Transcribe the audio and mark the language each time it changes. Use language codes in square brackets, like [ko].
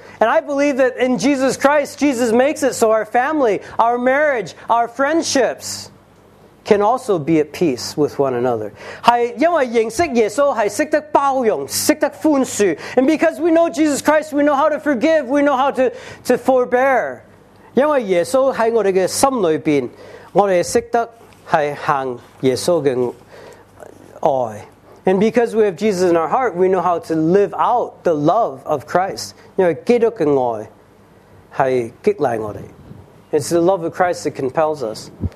[en] And I believe that in Jesus Christ, Jesus makes it so our family, our marriage, our friendships can also be at peace with one another. [yue] 是因为认识耶稣，是懂得包容，懂得宽恕。 [en] And because we know Jesus Christ, we know how to forgive, we know how to forbear. [yue] 因为耶稣在我们的心里边，我们懂得行耶稣的爱。 [en] And because we have Jesus in our heart, we know how to live out the love of Christ. [yue] You know, 基督的爱是激励我们。 [en] It's the love of Christ that compels us.